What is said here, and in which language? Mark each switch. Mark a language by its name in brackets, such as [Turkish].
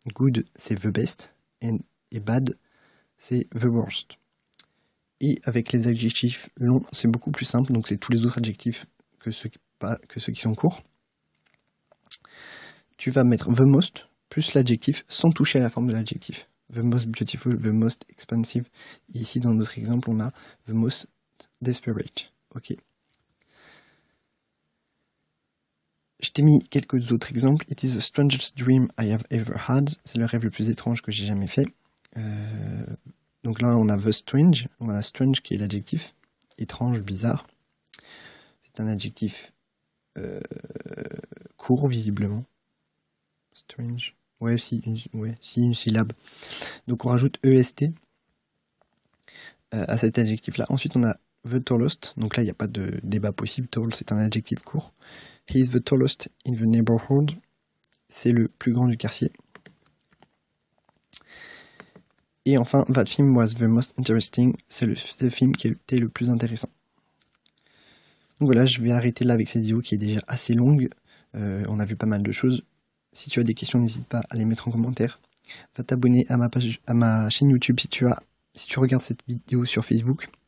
[English] Good, c'est the best. Et bad, c'est the worst. [French] Et avec les adjectifs longs, c'est beaucoup plus simple. Donc, c'est tous les autres adjectifs que ceux qui sont courts. Tu vas mettre the most plus l'adjectif sans toucher à la forme de l'adjectif. [English] The most beautiful, the most expensive. [French] Ici, dans notre exemple, on a the most desperate. Ok. Je t'ai mis quelques autres exemples. [English] It is the strangest dream I have ever had. [French] C'est le rêve le plus étrange que j'ai jamais fait. Donc là, on a the strange. On a strange qui est l'adjectif. Étrange, bizarre. C'est un adjectif court, visiblement. Strange. Ouais, si, une syllabe. Donc on rajoute EST à cet adjectif-là. Ensuite, on a the tallest. Donc là, il n'y a pas de débat possible. Tall, c'est un adjectif court. [English] He is the tallest in the neighborhood. [French] C'est le plus grand du quartier. Et enfin, [English] that film was the most interesting. [French] C'est le film qui était le plus intéressant. Donc voilà, je vais arrêter là avec cette vidéo qui est déjà assez longue. On a vu pas mal de choses. Si tu as des questions, n'hésite pas à les mettre en commentaire. Va t'abonner à ma page, à ma chaîne YouTube si tu regardes cette vidéo sur Facebook.